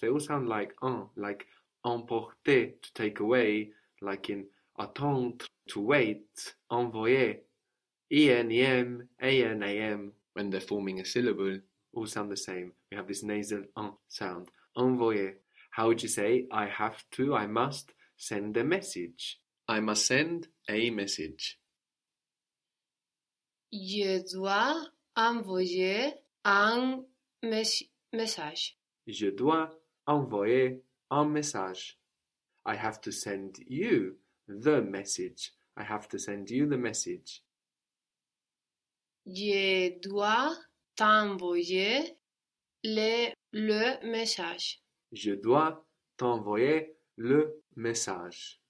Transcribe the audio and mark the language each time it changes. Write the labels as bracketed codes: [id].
[en] They all sound like en, like emporter, to take away, like in attendre, to wait, envoyer. E-N-E-M, A-N-A-M. When they're forming a syllable, all sound the same. We have this nasal en sound. Envoyer. How would you say, I have to, I must send a message? I must send a message. [fr] Je dois envoyer un message. Je dois envoyer un message. [en] I have to send you the message. I have to send you the message. [fr] Je dois t'envoyer le message. Je dois t'envoyer le message.